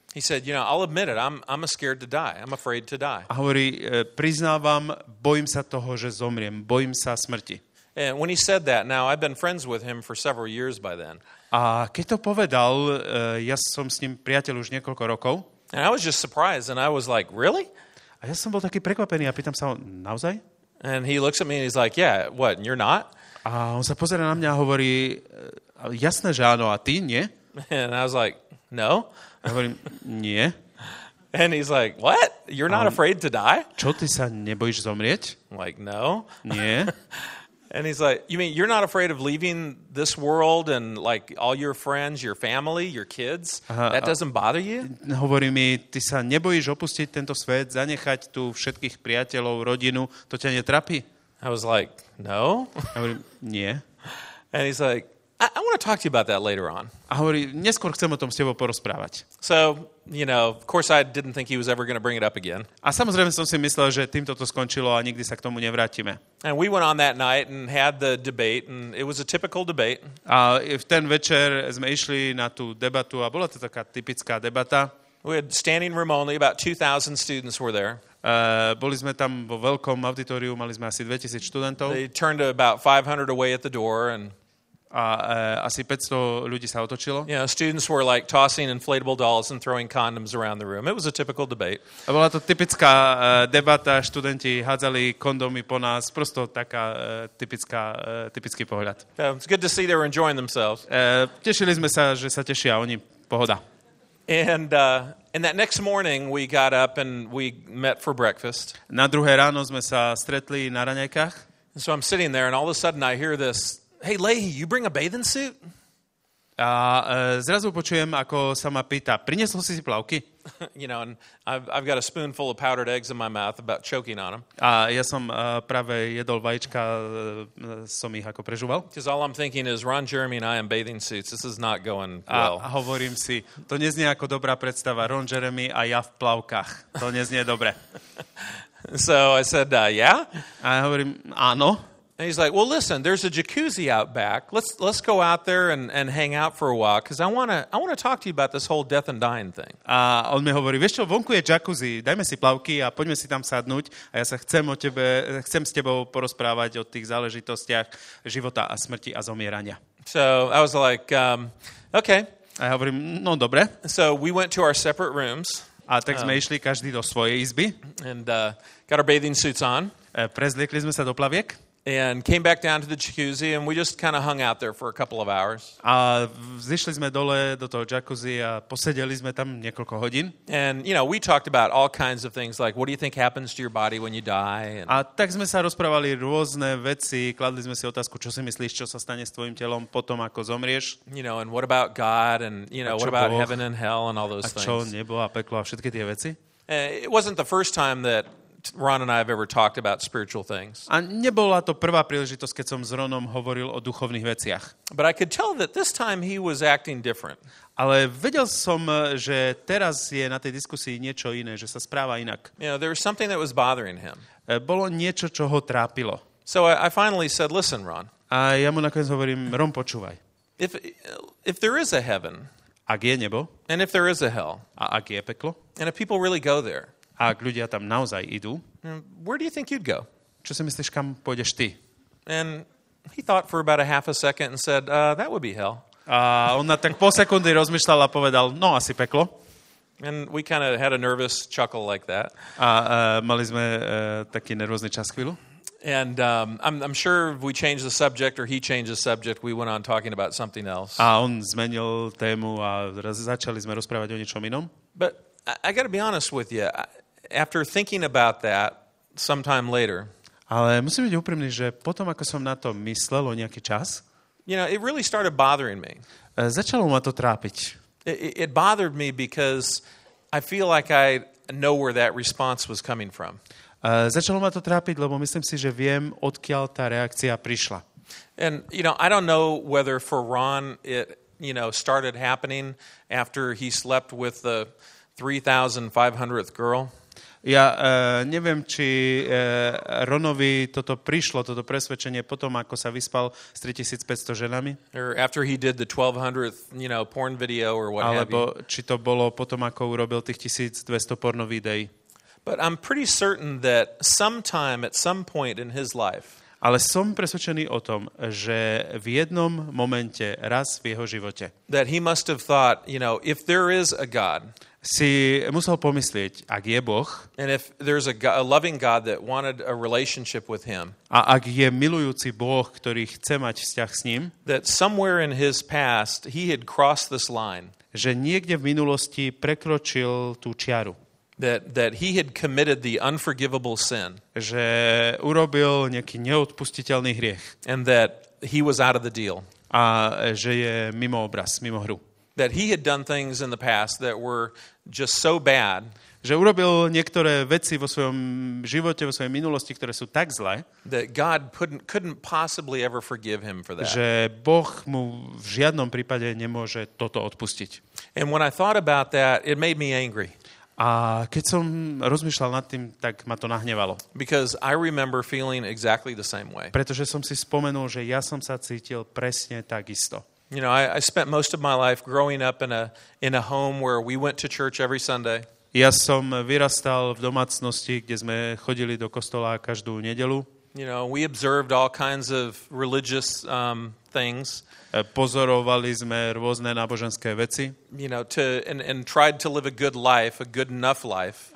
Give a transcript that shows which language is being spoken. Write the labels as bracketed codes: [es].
[en] He said, you know, I'll admit it, I'm scared to die. I'm afraid to die. [sk] A hovorí, priznávam, bojím sa toho, že zomriem. Bojím sa smrti. [en] And when he said that, now I've been friends with him for several years by then. [sk] A keď to povedal, ja som s ním priateľ už niekoľko rokov. [en] And I was just surprised and I was like, really? [sk] A ja som bol taký prekvapený a pýtam sa ho, naozaj? [en] And he looks at me and he's like, yeah, what, you're not? [sk] A on sa pozerá na mňa a hovorí, jasné, že áno, a ty nie? [en] And I was like, no. [sk] A hovorím, nie. [en] And he's like, what? You're not afraid to die? [sk] Čo, ty sa nebojíš zomrieť? [en] I'm like, no. [sk] Nie. [en] And he's like, you mean you're not afraid of leaving this world and like all your friends, your family, your kids? That doesn't bother you? [sk] Hovorí mi, ty sa nebojíš opustiť tento svet, zanechať tu všetkých priateľov, rodinu, to ťa netrapí? [en] I was like, no. [sk] Hovorím, nie. [en] And he's like, I want to talk to you about that later on. [sk] A hovorí, neskôr chcem o tom s tebou porozprávať. [en] So, you know, of course I didn't think he was ever going to bring it up again. [sk] A samozrejme som si myslel, že týmto to skončilo a nikdy sa k tomu nevrátime. [en] And we went on that night and had the debate and it was a typical debate. [sk] A v ten večer sme išli na tú debatu a bola to taká typická debata. [en] We had standing room only, about 2,000 students were there. [sk] Boli sme tam vo veľkom auditoriu, mali sme asi 2,000 študentov. [en] They turned about 500 away at the door and [sk] asi 500 ľudí sa otočilo. [en] Yeah, students were like tossing inflatable dolls and throwing condoms around the room. It was a typical debate. [sk] A bola to typická debata, študenti hádzali kondomy po nás, prosto taká typický pohľad. [en] Yeah, it's good to see they were enjoying themselves. [sk] Tešili sme sa, že sa tešia oni, pohoda. [en] And that next morning we got up and we met for breakfast. [sk] Na druhé ráno sme sa stretli na raňajkách. [en] So I'm sitting there and all of a sudden I hear this, hey, Leahy, you bring a bathing suit? [sk] A zrazu počujem, ako sa ma pýta, priniesol si plavky? [en] You know, and I've got a spoonful of powdered eggs in my mouth about choking on them. [sk] A ja som práve jedol vajíčka, som ich ako prežúval. [en] Because all I'm thinking is, Ron Jeremy and I in bathing suits, this is not going well. [sk] A hovorím si, to neznie ako dobrá predstava, Ron Jeremy a ja v plavkách. To neznie dobre. [en] So I said, yeah? [sk] A ja hovorím, áno. [en] And he's like, "Well, listen, there's a jacuzzi out back. Let's go out there and hang out for a while because I want to talk to you about this whole death and dying thing." [sk] A on mi hovorí, "Vieš čo, vonku je jacuzzi. Dajme si plavky a poďme si tam sadnúť a ja sa chcem s tebou porozprávať o tých záležitostiach života a smrti a zomierania." [en] So, I was like, "Okay." [sk] A ja hovorím, "No, dobre." [en] So, we went to our separate rooms. [sk] A tak sme išli každý do svojej izby. [en] And got our bathing suits on. [sk] Prezliekli sme sa do plaviek. [en] And came back down to the jacuzzi and we just kind of hung out there for a couple of hours. [sk] A zišli sme dole do toho jacuzzi a posedeli sme tam niekoľko hodín. [en] And you know, we talked about all kinds of things like what do you think happens to your body when you die? [sk] A tak sme sa rozprávali rôzne veci, kladli sme si otázku, čo si myslíš, čo sa stane s tvojim telom potom ako zomrieš? [en] You know, and what about God and you know, what about heaven and hell and all those things? [sk] A čo nebo a peklo a všetky tie veci? [en] It wasn't the first time that Ron and I have ever talked about spiritual things. [sk] A nebola to prvá príležitosť, keď som s Ronom hovoril o duchovných veciach. [en] But I could tell that this time he was acting different. [sk] Ale vedel som, že teraz je na tej diskusii niečo iné, že sa správa inak. [en] You know, there was something that was bothering him. [sk] Bolo niečo, čo ho trápilo. [en] So I finally said, "Listen, Ron." [sk] A ja mu nakoniec hovorím, Ron, počúvaj. [en] If there is a heaven, [sk] ak je nebo, [en] and if there is a hell, [sk] a ak je peklo, [en] and if people really go there, [sk] ak ľudia tam naozaj idú, [en] where do you think you'd go? [sk] Čo si myslíš, kam pôjdeš ty? [en] And he thought for about a half a second and said, that would be hell. [sk] A on na tak po sekundy rozmýšľal a povedal, no asi peklo. [en] And we kind of had a nervous chuckle like that. [sk] Mali sme taký nervózny čas chvíľu. [en] And I'm sure if we changed the subject or he changed the subject, we went on talking about something else. [sk] A on zmenil tému a začali sme rozprávať o niečom inom. [en] But I got to be honest with you. After thinking about that sometime later. [sk] Ale musím byť úprimný, že potom ako som na to myslel o nejaký čas, [en] you know, it really started bothering me. [sk] Začalo ma to trápiť. [en] It bothered me because I feel like I know where that response was coming from. [sk] Začalo ma to trápiť, lebo myslím si, že viem, odkiaľ tá reakcia prišla. [en] And you know, I don't know whether for Ron it, you know, started happening after he slept with the 3500th girl. [sk] Ja neviem, či Ronovi toto prišlo, toto presvedčenie potom, ako sa vyspal s 3500 ženami. [en] Or after he did the 1200th, you know, porn video or what. [sk] Alebo či to bolo potom, ako urobil tých 1200 porno videí. [en] But I'm pretty certain that sometime at some point in his life. [sk] Ale som presvedčený o tom, že v jednom momente raz v jeho živote. [en] That he must have thought, you know, if there is a God. [sk] Si musel pomyslieť, ak je Boh. [en] And if there's a loving God that wanted a relationship with him. [sk] A ak je milujúci Boh, ktorý chce mať vzťah s ním. [en] That somewhere in his past he had crossed this line. [sk] Že niekde v minulosti prekročil tú čiaru. [en] That he had committed the unforgivable sin. [sk] Že urobil nejaký neodpustiteľný hriech. [en] And that he was out of the deal. [sk] A že je mimo obraz, mimo hru. [en] That he had done things in the past that were just so bad. [sk] Že urobil niektoré veci vo svojom živote, vo svojej minulosti, ktoré sú tak zlé. [en] That God couldn't possibly ever forgive him for that. [sk] Že Boh mu v žiadnom prípade nemôže toto odpustiť. [en] And when I thought about that, it made me angry. [sk] A keď som rozmýšľal nad tým, tak ma to nahnevalo. [en] Because I remember feeling exactly the same way. [sk] Pretože som si spomenul, že ja som sa cítil presne takisto. [en] You know, I spent most of my life growing up in a home where we went to church every Sunday. [sk] Ja som vyrastal v domácnosti, kde sme chodili do kostola každú nedeľu. [en] You know, we observed all kinds of religious things. [sk] Pozorovali sme rôzne náboženské veci. [en] You know, and tried to live a good life, a good enough life.